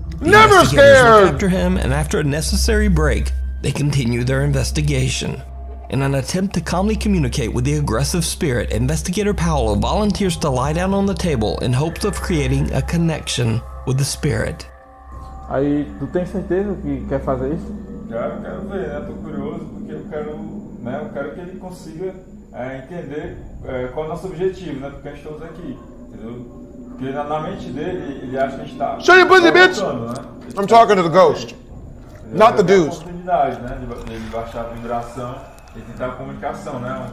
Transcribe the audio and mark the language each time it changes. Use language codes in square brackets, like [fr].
[en] Never scared! After him, and after a necessary break, they continue their investigation. In an attempt to calmly communicate with the aggressive spirit, Investigator Paolo volunteers to lie down on the table in hopes of creating a connection with the spirit. [pt] Aí, tu tem certeza que quer fazer isso? Claro, quero ver, né? Tô curioso porque eu quero que ele consiga entender qual é o nosso objetivo, né? Porque estamos aqui, entendeu? Porque na mente dele, ele acha que a gente tá... [en] Show your pussy, bitch! Né? I'm talking to the ghost, not the dude. [pt] Ele tem a oportunidade, né? De baixar a vibração e tentar a comunicação, né?